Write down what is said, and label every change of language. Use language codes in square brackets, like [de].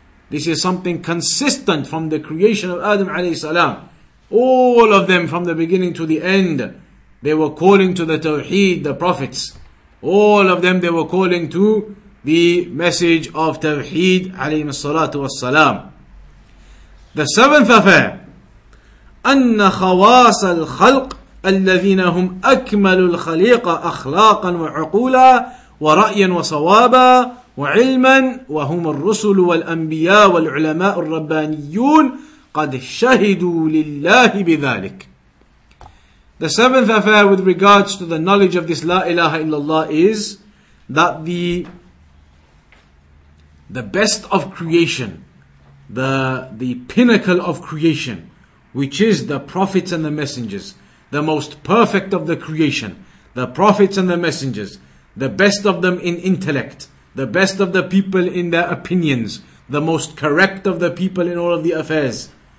[en] This is something consistent from the creation of Adam alayhi salam. All of them from the beginning to the end, they were calling to the Tawheed, the prophets. All of them, they were calling to the message of Tawheed alayhi salatu wassalam. The seventh affair. [ar] أن خواص الخلق الذين هم أكمل الخليقة أخلاقا وعقولا ورأيا وصوابا وعلما وهم الرسل والأنبياء والعلماء الربانيون قد شهدوا لله بذلك. [en] The seventh affair with regards to the knowledge of this La ilaha illallah is that the best of creation, the pinnacle of creation, which is the prophets and the messengers, the most perfect of the creation, the prophets and the messengers, the best of them in intellect, the best of the people in their opinions, the most correct of the people in all of the affairs.